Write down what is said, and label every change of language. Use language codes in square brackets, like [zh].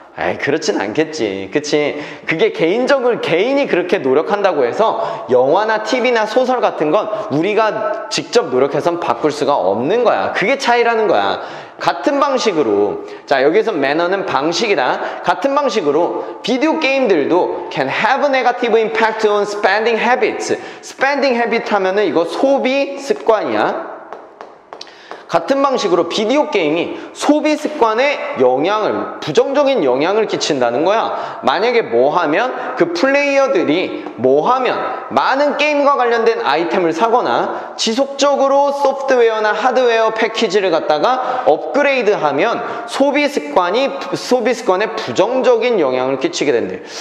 [ko] 에이 그렇진 않겠지. 그치? 그게 개인적으로 개인이 그렇게 노력한다고 해서 영화나 TV나 소설 같은 건 우리가 직접 노력해선 바꿀 수가 없는 거야. 그게 차이라는 거야. 같은 방식으로, 자 여기서 매너는 방식이다. 같은 방식으로 비디오 게임들도 [en] can have a negative impact on spending habits. [ko] spending habit 하면은 이거 소비 습관이야. 같은 방식으로 비디오 게임이 소비 습관에 영향을, 부정적인 영향을 끼친다는 거야. 만약에 뭐 하면 그 플레이어들이 뭐 하면 많은 게임과 관련된 아이템을 사거나 지속적으로 소프트웨어나 하드웨어 패키지를 갖다가 업그레이드 하면 소비 습관이, 소비 습관에 부정적인 영향을 끼치게 된대.